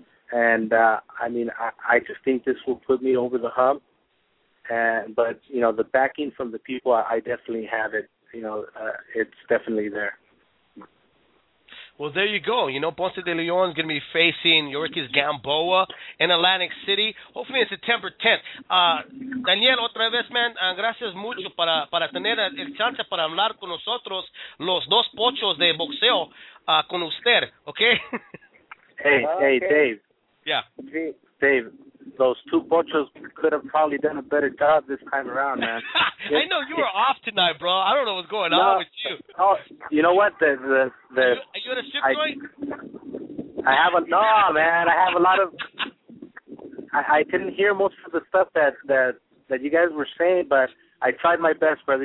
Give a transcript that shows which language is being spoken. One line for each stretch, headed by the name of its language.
English: And, I mean, I just think this will put me over the hump. And, but, you know, the backing from the people, I definitely have it. You know, it's definitely there. Well, there you go. You know, Ponce de Leon is going to be facing Yorkis Gamboa in Atlantic City. Hopefully, it's September 10th.
Spanish: Daniel, otra vez, man, gracias mucho para tener el chance para hablar con nosotros, los dos pochos de boxeo, con usted, ¿okay?
English: Hey, Dave. Yeah. Dave, those two pochos could have probably done a better job this time around, man. I know you were off tonight, bro. I don't know what's going on with you. Oh, you know what? The are you at a ship joint? I didn't hear most of the stuff that you guys were saying, but I tried my best, brother.